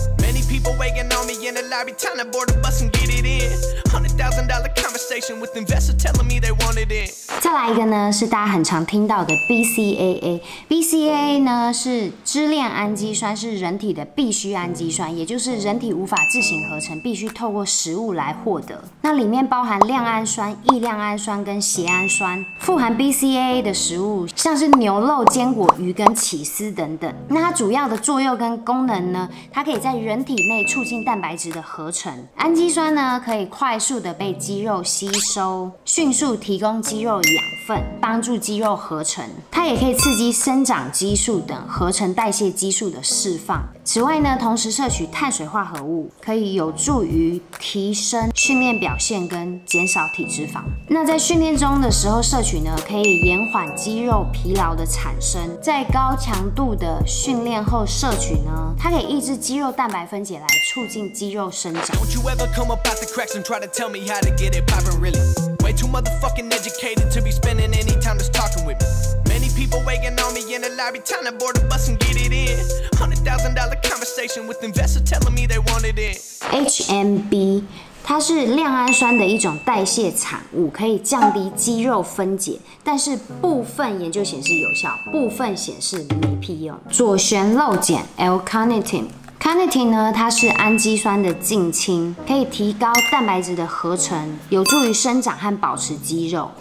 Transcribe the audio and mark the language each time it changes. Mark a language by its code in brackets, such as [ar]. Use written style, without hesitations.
[en] Many people waiting on me in the lobby, time to board a bus and get it in. $100,000 conversation with investors telling me they want it in. [zh] 再来一个呢，是大家很常听到的 BCAA。 BCAA 呢是支链氨基酸，是人体的必需氨基酸，也就是人体无法自行合成，必须透过食物来获得。那里面包含亮氨酸、异亮氨酸跟缬氨酸。富含 BCAA 的食物，像是牛肉、坚果、鱼跟起司等等。那它主要的作用跟功能呢，它可以在人体内促进蛋白质的合成。氨基酸呢，可以快速的被肌肉吸收，迅速提供肌肉氧分，帮助肌肉合成。它也可以刺激生长激素等合成代谢激素的释放。此外呢，同时摄取碳水化合物，可以有助于提升训练表现跟减少体脂肪。那在训练中的时候摄取呢，可以延缓肌肉疲劳的产生。在高强度的训练后摄取呢，它可以抑制肌肉蛋白分解来促进肌肉生长。 [en] Don't you ever come up out the cracks and try to tell me how to get it poppin' really? Way too motherfucking educated to be spending any time just talking with me. Many people waiting on me in the lobby, time to board a bus and get it in. $100,000 patient with investors telling me they wanted it. [zh] HMB 它是亮氨酸的一种代谢产物，可以降低肌肉分解，但是部分研究显示有效，部分显示没屁用。左旋肉碱 L-carnitine。Carnitine 呢，它是氨基酸的近亲，可以提高蛋白质的合成，有助于生长和保持肌肉。